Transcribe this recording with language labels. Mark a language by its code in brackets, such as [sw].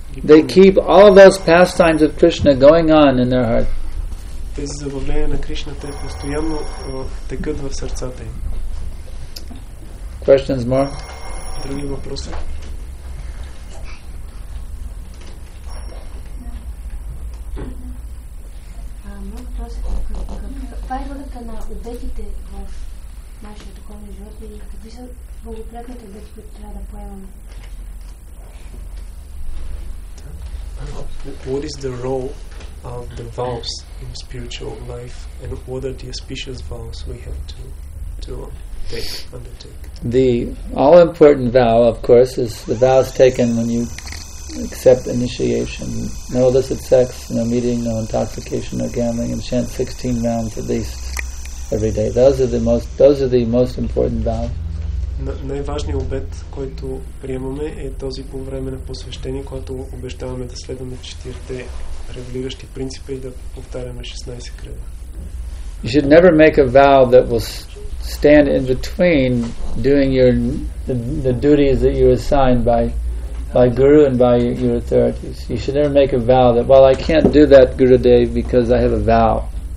[en] They keep all those pastimes of Krishna going on in their heart. [bg] Тези забавления на Кришна те постоянно текат в сърцата им. [en] Questions more? [bg] Други въпроси? Каква е ролята на обетите в нашия духовен живот и какви са благоприятните обети, които трябва да поемаме? [en] What is the role of the vows in spiritual life and what are the auspicious vows we have to undertake? The all important vow, of course, is the vows taken when you accept initiation. No illicit sex, no meeting, no intoxication, no gambling, and chant 16 rounds at least every day. Those are the most important vows. [bg] Най-важният обет, който приемаме, е този по време на посвещение, когато обещаваме да следваме четирите регулиращи принципа и да повтаряме 16 кръга. [en] You should never make a vow that will stand in between doing the duties that you're assigned by guru and by your authorities. You should never make a vow that, well, I can't do that, Gurudev, because I have a vow.